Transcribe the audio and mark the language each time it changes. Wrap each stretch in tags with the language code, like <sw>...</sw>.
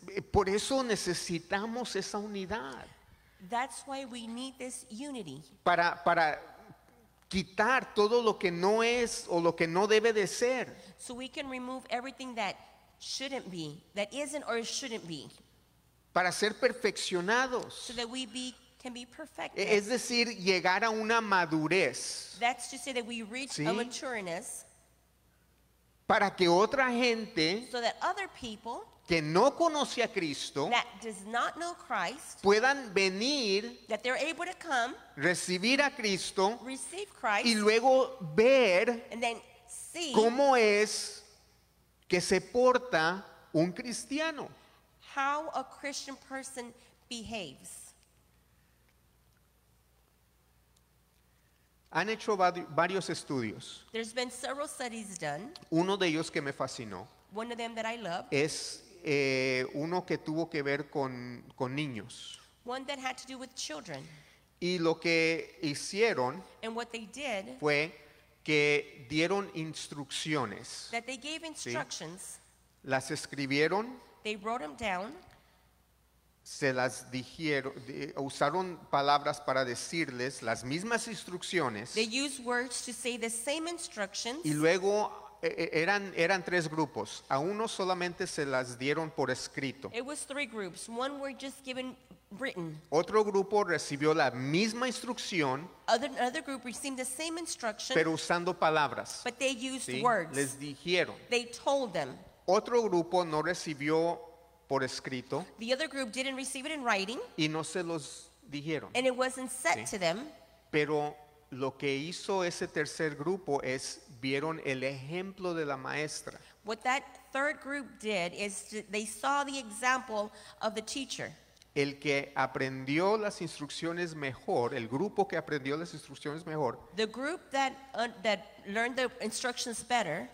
<es>Por eso necesitamos esa unidad.</es> <en>That's why we need this unity.</en> <es>Para quitar todo lo que no es o lo que no debe de ser.</es> <en>So we can remove everything that shouldn't be, that isn't or shouldn't be.</en> <es>Para ser perfeccionados.</es> <en>So that we be, can be perfected.</en> <es>Es decir, llegar a una madurez.</es> <en>That's to say that we reach a matureness.</en> <es>Para que otra gente,</es> <en>so that other people,</en> <es>que no conoce a Cristo,</es> <en>that does not know Christ,</en> <es>puedan venir,</es> <en>that they're able to come,</en> <es>recibir a Cristo,</es> <en>receive Christ,</en> <es>y luego ver,</es> <en>and then see,</en> <es>cómo es que se porta un cristiano.</es> <en>How a Christian person behaves.</en> <es>Han hecho varios estudios.</es> <en>There's been several studies done.</en> <es>Uno de ellos que me fascinó.</es> <en>One of them that I love.</en> <es>Es uno que tuvo que ver con niños.</es> <en>One that had to do with children.</en> <es>Y lo que hicieron.</es> <en>And what they did.</en> <es>Fue que dieron instrucciones.</es> <en>That they gave instructions.</en> <es>¿Sí? Las escribieron.</es> <en>They wrote them down.</en> <es>Se las dijeron, usaron palabras para decirles las mismas instrucciones.</es> <en>They used words to say the same instructions.</en> <es>Y luego eran tres grupos. A uno solamente se las dieron por escrito.</es> <en>It was three groups. One were just given written.</en> <es>Otro grupo recibió la misma instrucción.</es> <en>Another group received the same instruction.</en> <es>Pero usando palabras.</es> <en>But they used words.</en> <es>Les dijeron.</es> <en>They told them.</en> <es>Otro grupo no recibió por escrito.</es> <en>The other group didn't receive it in writing.</en> <es>Y no se los dijeron.</es> <en>And it wasn't said to them.</en> <es>Pero lo que hizo ese tercer grupo es vieron el ejemplo de la maestra.</es> <en>What that third group did is they saw the example of the teacher.</en> <es>El que aprendió las instrucciones mejor, el grupo que aprendió las instrucciones mejor,</es> <en>the group that that learned the instructions better,</en>